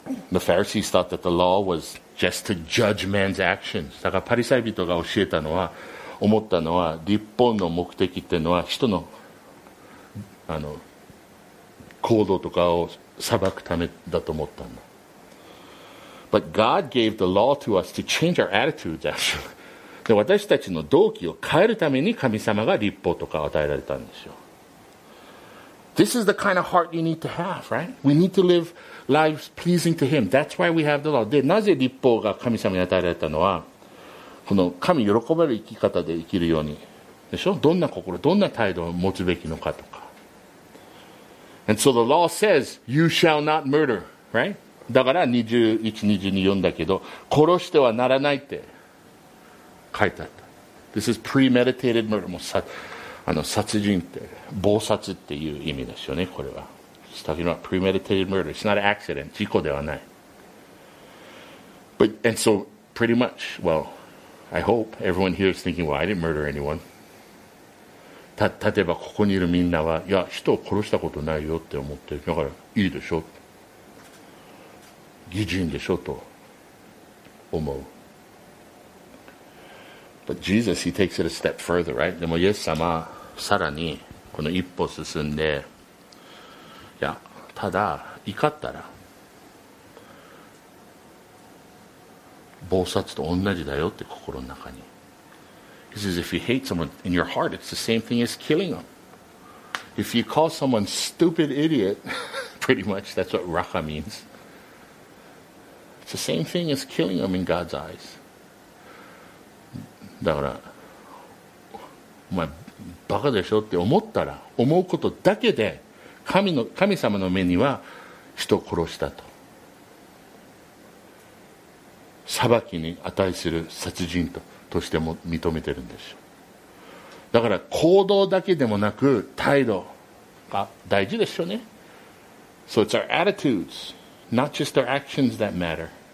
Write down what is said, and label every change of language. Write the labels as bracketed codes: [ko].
[en] The Pharisees thought that the law was just to judge man's actions. [ja] だからパリサイ人が教えたのは、思ったのは、律法の目的っていうのは、人の、行動とかを裁くためだと思ったんだ。 [en] But God gave the law to us to change our attitudes, actually. [ja] で、私たちの動機を変えるために神様が律法とかを与えられたんですよ。 [en] This is the kind of heart you need to have, right? We need to live lives pleasing to Him. That's why we have the law. [ja] で、なぜ律法が神様に与えられたのは、この神喜ばれる生き方で生きるように、でしょ？どんな心、どんな態度を持つべきのかとか。 [en] And so the law says, you shall not murder, right? [ja] だから21、22に読んだけど、殺してはならないって書いてあった。 [en] This is premeditated murder. [ja] もうさ殺人って、謀殺っていう意味ですよね、これは。 [en] It's talking about premeditated murder. It's not an accident. [ja] 事故ではない。 [en] But, and so, pretty much, well, I hope everyone here is thinking, well, I didn't murder anyone. [ja] 例えばここにいるみんなは、いや、人を殺したことないよって思って、だからいいでしょ。偽人でしょと思う。 [en] But Jesus, he takes it a step further, right? [ja] でもイエス様、さらにこの一歩進んで、いや、ただ怒ったら、暴殺と同じだよって心の中に。 [en] He says, if you hate someone in your heart, it's the same thing as killing them. If you call someone stupid idiot, pretty much that's what racha means. It's the same thing as killing them in God's eyes. [ja] だから、お前バカでしょって思ったら、思うことだけで神様の目には人を殺したと。裁きに値する殺人としても認めてるんでしょ。だから行動だけでもなく態度が大事でしょうね。 [en] So it's our attitudes, not just our actions that matter.